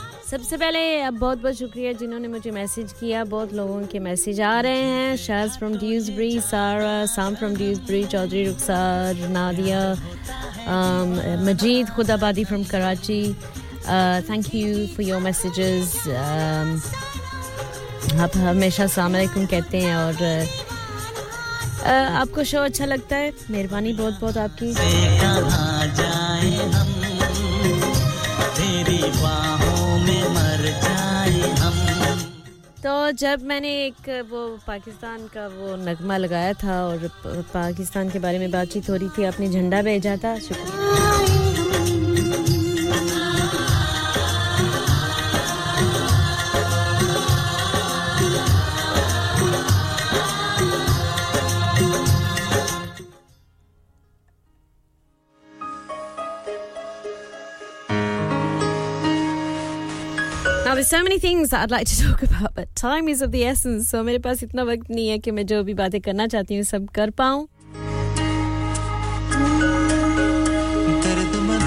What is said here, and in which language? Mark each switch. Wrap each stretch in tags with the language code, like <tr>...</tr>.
<hi>सबसे पहले बहुत-बहुत शुक्रिया जिन्होंने मुझे मैसेज किया. बहुत लोगों के मैसेज आ रहे हैं.</hi> <en>Shaz from Dewsbury, Sarah, Sam from Dewsbury, Chaudhry Ruksar, Nadia, Majid Khudabadi from Karachi. Thank you for your messages.</en> <hi>आप हमेशा सलाम अलैकुम कहते हैं और आपको शो अच्छा लगता है. मेहरबानी बहुत बहुत आपकी. कहां जाएं हम तेरी बाहों में मर जाएं हम. तो जब मैंने एक वो पाकिस्तान का वो नगमा लगाया था और पाकिस्तान के बारे में बातचीत हो रही थी, आपने झंडा भेजा था. शुक्रिया.</hi> <en>There's so many things that I'd like to talk about, but time is of the essence. So</en> <hi>मेरे पास इतना वक्त नहीं है कि मैं जो भी बातें करना चाहती हूँ सब कर पाऊँ.</hi>